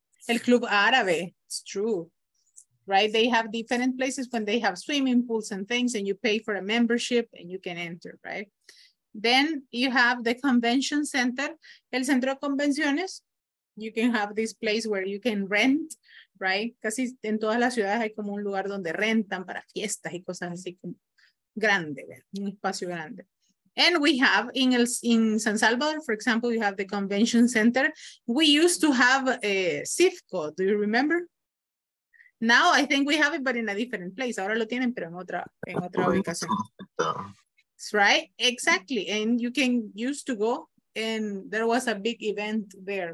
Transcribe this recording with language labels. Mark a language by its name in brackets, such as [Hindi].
[English] El club árabe, it's true, right? They have different places when they have swimming pools and things, and you pay for a membership and you can enter, right? Then you have the convention center, [Spanish] el centro de convenciones. [English] You can have this place where you can rent, right? [Spanish] Casi en todas las ciudades hay como un lugar donde rentan para fiestas y cosas así como grande, un espacio grande. [English] And we have in San Salvador, for example, you have the convention center. We used to have a CIFCO, do you remember? Now I think we have it, but in a different place. [Spanish] Ahora lo tienen, pero en otra ubicación. [English] Right, exactly. And you can used to go, and there was a big event there.